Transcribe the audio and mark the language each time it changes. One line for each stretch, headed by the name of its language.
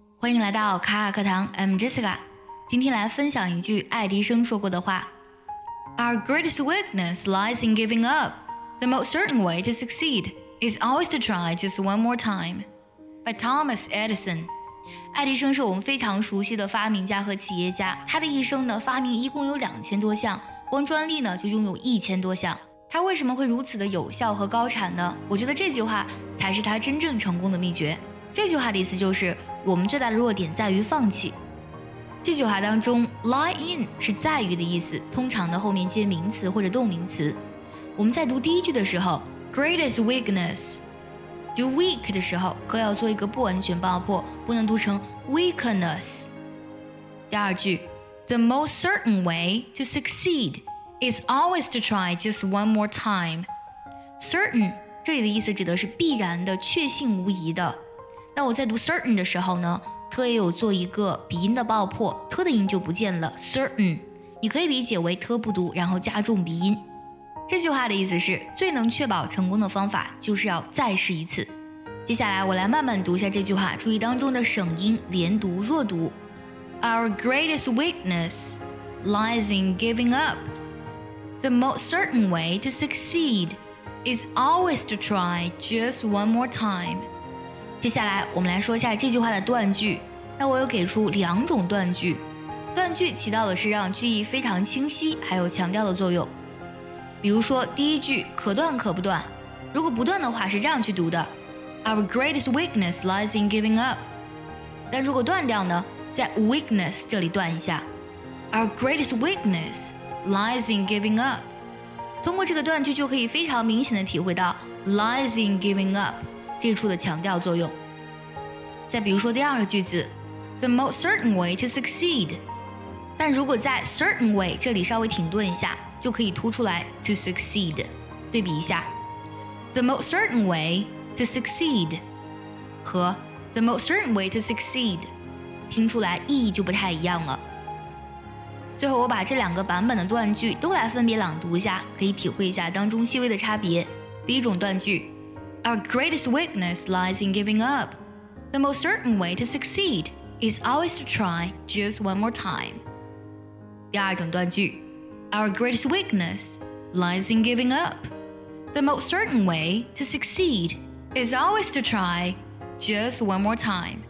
Chinese: 欢迎来到卡卡课堂 ，
English: I'm Jessica。
Chinese: 今天来分享一句爱迪生说过的话 ：
English: Our greatest weakness lies in giving up. The most certain way to succeed is always to try just one more time. By Thomas Edison。
Chinese: 爱迪生是我们非常熟悉的发明家和企业家，他的一生呢，发明一共有2000多项，光专利呢就拥有1000多项。他为什么会如此的有效和高产呢？我觉得这句话才是他真正成功的秘诀。这句话的意思就是，我们最大的弱点在于放弃。这句话当中 lie in 是在于的意思，通常的后面接名词或者动名词。我们在读第一句的时候
English: greatest weakness，
Chinese: 读 weak 的时候可要做一个不完全爆破，不能读成 weakness。第二句
English: the most certain way to succeed is always to try just one more time。
Chinese: certain 这里的意思指的是必然的，确信无疑的。那我在读 certain 的时候呢，特也有做一个鼻音的爆破，特的音就不见了。 certain 你可以理解为特不读，然后加重鼻音。这句话的意思是，最能确保成功的方法就是要再试一次。接下来我来慢慢读一下这句话，注意当中的省音，连读弱读。
English: Our greatest weakness lies in giving up. The most certain way to succeed is always to try just one more time.
Chinese: 接下来我们来说一下这句话的断句。那我有给出2种断句，断句起到的是让句意非常清晰还有强调的作用。比如说第一句，可断可不断，如果不断的话是这样去读的，
English: Our greatest weakness lies in giving up。
Chinese: 但如果断掉呢，在 weakness 这里断一下，
English: Our greatest weakness lies in giving up。
Chinese: 通过这个断句就可以非常明显的体会到
English: lies in giving up
Chinese: 这处的强调作用。再比如说第二个句子，
English: The most certain way to succeed，
Chinese: 但如果在 certain way 这里稍微停顿一下，就可以突出来 to succeed， 对比一下 The most certain way to succeed 和 The most certain way to succeed， 听出来意义就不太一样了。最后我把这2个版本的断句都来分别朗读一下，可以体会一下当中细微的差别。第一种断句，
English: Our greatest weakness lies in giving up. The most certain way to succeed is always to try just one more time.
Chinese: 第二种断句，
English: Our greatest weakness lies in giving up. The most certain way to succeed is always to try just one more time.